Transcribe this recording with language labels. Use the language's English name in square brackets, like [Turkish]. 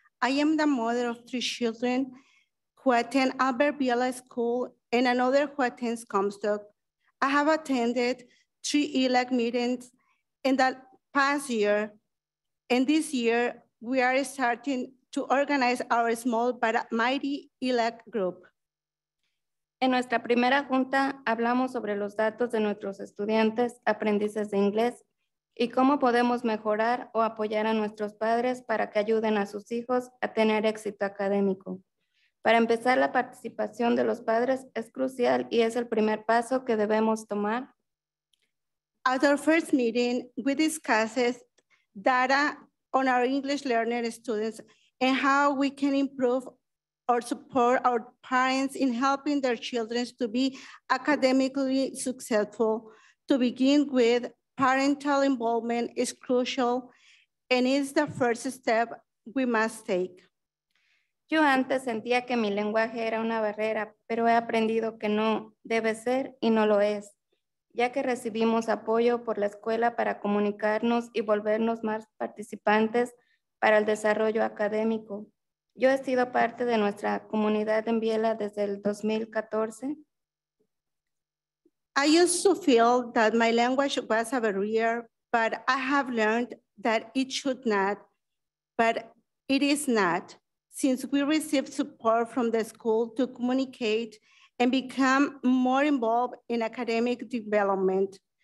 [English] I am the mother of three children who attend Albert Biella School and another who attends Comstock. I have attended three ILAC meetings in the past year, and this year we are starting to organize our small but mighty ILAC group. [Spanish] En nuestra primera junta hablamos sobre los datos de nuestros estudiantes, aprendices de inglés, y cómo podemos mejorar o apoyar a nuestros padres para que ayuden a sus hijos a tener éxito académico. Para empezar, la participación de los padres es crucial y es el primer paso que debemos tomar. [English] At our first meeting, we discussed data on our English learning students and how we can improve or support our parents in helping their children to be academically successful. To begin with, parental involvement is crucial and is the first step we must take. [Spanish] Yo antes sentía que mi lenguaje era una barrera, pero he aprendido que no debe ser y no lo es, ya que recibimos apoyo por la escuela para comunicarnos y volvernos más participantes para el desarrollo académico. Yo he sido parte de nuestra comunidad en Biella desde el 2014. [English] I used to feel that my language was a barrier, but I have learned that it should not, but it is not, since we received support from the school to communicate and become more involved in academic development.